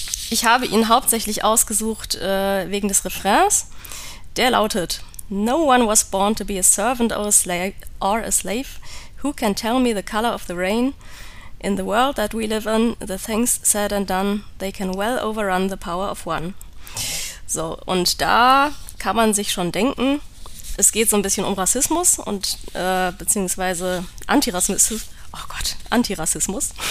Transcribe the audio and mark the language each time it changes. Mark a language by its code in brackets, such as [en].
[de] Ich habe ihn hauptsächlich ausgesucht wegen des Refrains. Der lautet: [en] No one was born to be a servant or a slave. Who can tell me the color of the rain? In the world that we live in, the things said and done, they can well overrun the power of one. [de] So, und da kann man sich schon denken, es geht so ein bisschen um Rassismus und beziehungsweise Antirassismus. Oh Gott, Antirassismus.